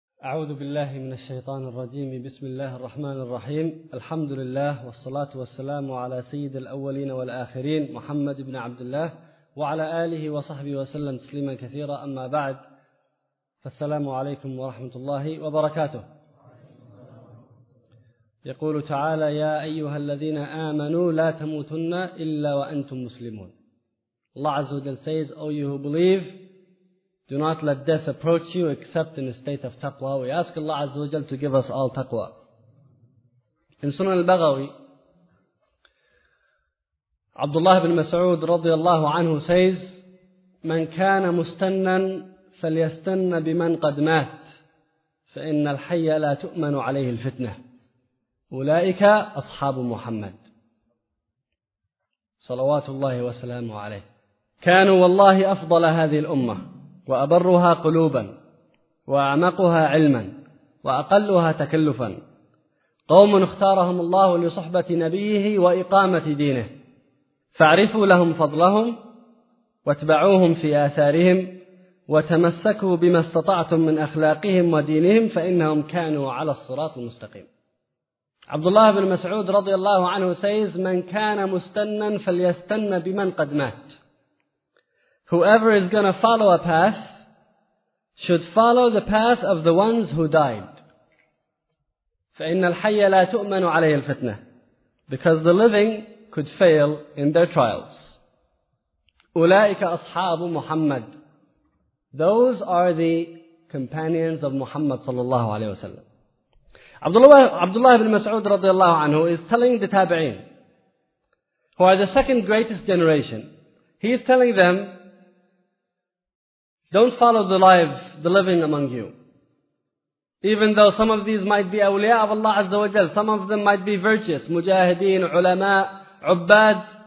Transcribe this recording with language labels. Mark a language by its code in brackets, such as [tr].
[ar] أعوذ بالله من الشيطان الرجيم بسم الله الرحمن الرحيم الحمد لله والصلاة والسلام على سيد الأولين والآخرين محمد بن عبد الله وعلى آله وصحبه وسلم تسليما كثيرا أما بعد فالسلام عليكم ورحمة الله وبركاته. يقول تعالى يا أيها الذين آمنوا لا تموتن إلا وأنتم مسلمون. [en] الله عز وجل says, O you who believe, do not let death approach you except in a state of taqwa. We ask Allah Azza wa Jal to give us all taqwa. In Sunan al-Baghawi, Abdullah ibn Mas'ud radiyallahu anhu says, [ar] مَنْ كَانَ مُسْتَنًّا فَلْيَسْتَنَّ بِمَنْ قَدْ مَاتْ فَإِنَّ الْحَيَّ لَا تُؤْمَنُ عَلَيْهِ الْفِتْنَةِ أُولَئِكَ أَصْحَابُ مُحَمَّدٍ صلوات الله وسلامه عليه. كانوا والله أفضل هذه الأمة وأبرها قلوبا وأعمقها علما وأقلها تكلفا، قوم اختارهم الله لصحبة نبيه وإقامة دينه، فاعرفوا لهم فضلهم واتبعوهم في آثارهم وتمسكوا بما استطعتم من أخلاقهم ودينهم فإنهم كانوا على الصراط المستقيم. عبد الله بن مسعود رضي الله عنه says, من كان مستنا فليستن بمن قد مات. [en] Whoever is going to follow a path should follow the path of the ones who died. [ar] فَإِنَّ الْحَيَّ لَا تُؤْمَنُ عَلَيْهِ الْفِتْنَةِ [en] Because the living could fail in their trials. [ar] أُولَٰئِكَ أَصْحَابُ مُحَمَّدٍ [en] Those are the companions of Muhammad [ar] صلى الله عليه وسلم. [en] Abdullah ibn Mas'ud رضي الله عنه is telling the tabi'in, who are the second greatest generation, he is telling them, don't follow the lives, the living among you. Even though some of these might be awliya of Allah Azza wa Jal, some of them might be virtuous, mujahideen, ulama, ubbad.